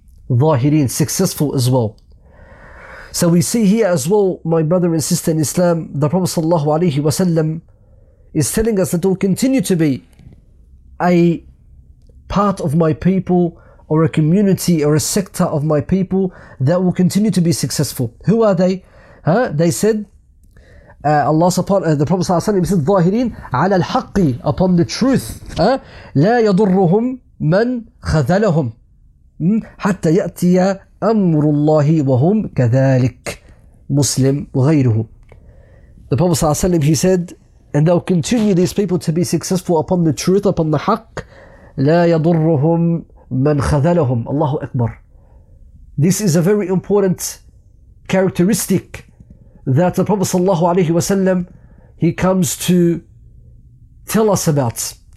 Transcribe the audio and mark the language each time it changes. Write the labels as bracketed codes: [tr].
[en] ظاهِرِينَ, successful as well. So we see here as well, my brother and sister in Islam, the Prophet sallallahu alayhi wa sallam is telling us that it will continue to be a part of my people or a community or a sector of my people that will continue to be successful. Who are they? They said, the Prophet sallallahu alayhi wa sallam said, [ar] ظاهرين على الحق, [en] upon the truth. [ar] لا يضرهم من خذلهم حتى يأتي أمر الله وهم كذلك. [en] Muslim [ar] وغيره. [en] The Prophet sallallahu alayhi wa sallam, he said, and they'll continue, these people, to be successful upon the truth, upon the haqq. [ar] لا يضرهم من خذلهم. Allahu Akbar. [en] This is a very important characteristic that the Prophet sallallahu alayhi wa sallam, he comes to tell us about.